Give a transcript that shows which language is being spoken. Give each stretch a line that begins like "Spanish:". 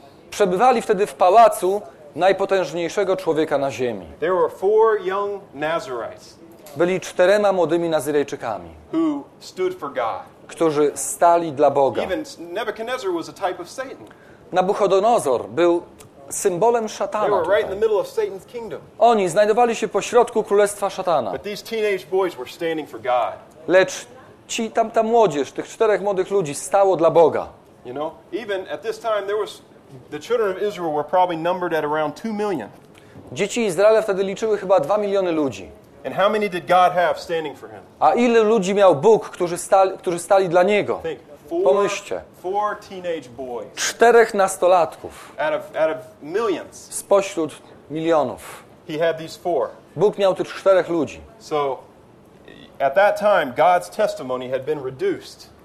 Polish: Przebywali wtedy w pałacu najpotężniejszego człowieka na ziemi.
English: There were four young Nazirites.
Polish: Byli czterema młodymi Nazyrejczykami,
English: who stood for God.
Polish: Którzy stali dla Boga.
English: Even Nebuchadnezzar was a type of Satan.
Polish: Nabuchodonozor był symbolem szatana.
English: They were right in the middle of Satan's kingdom.
Polish: Oni znajdowali się pośrodku królestwa szatana.
English: But these teenage boys were standing for God.
Polish: Lecz ci tamta młodzież, tych czterech młodych ludzi stało dla Boga.
English: You know, even at this time there was the children of Israel were probably numbered at around 2 million.
Polish: Dzieci Izraela wtedy liczyły chyba 2 miliony ludzi.
English: And how many did God have standing for him?
Polish: A ile ludzi miał Bóg, którzy stali dla niego?
English: Think,
Polish: pomyślcie.
English: Four teenage boys.
Polish: Czterech nastolatków.
English: Out of millions.
Polish: Spośród milionów.
English: He had these four.
Polish: Bóg miał tych czterech ludzi.
English: So at that time God's testimony had been reduced.